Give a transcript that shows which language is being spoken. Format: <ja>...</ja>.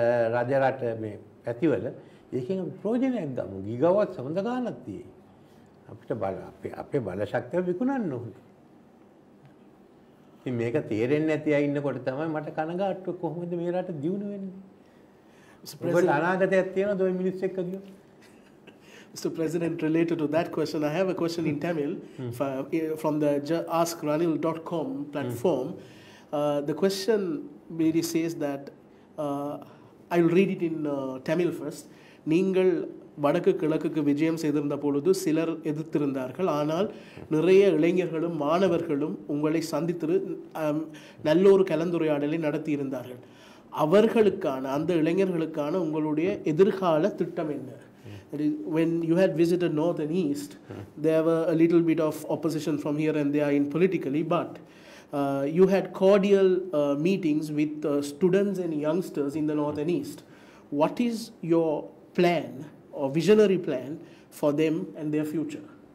<si>රජ රට මේ පැතිවල ඒකෙන් ප්‍රයෝජනයක් ගමු ගිගවත් සම්බන්ධ ගන්නත් තියෙයි අපිට බල අපේ බලශක්තිය විකුණන්න ඕනේ ඉතින් මේක තේරෙන්නේ නැති අය ඉන්නකොට තමයි මට කනගාටු කොහොමද මේ රට දියුණු වෙන්නේ ඔබට අනාගතයක් තියෙනවද ওই මිනිස් එක්ක ගියෝ</si> <en>Mr. President, related to that question, I have a question in Tamil from the AskRanil.com platform. The question really says that, I will read it in Tamil first.</en> <ta>நீங்கள் வடக்கு கிழக்குக்கு விஜயம் செய்திருந்த பொழுது சிலர் எதிர்த்திருந்தார்கள். ஆனால் நிறைய இளைஞர்களும் மாணவர்களும் உங்களை சந்தித்து நல்ல ஒரு கலந்துரையாடலை நடத்தியிருந்தார்கள். அவர்களுக்கான, அந்த இளைஞர்களுக்கான உங்களுடைய எதிர்கால திட்டம் என்ன?</ta> <en>When you had visited North and East, there were a little bit of opposition from here and there in politically, but you had cordial meetings with students and youngsters in the North and East. What is your plan or visionary plan for them and their future?</en>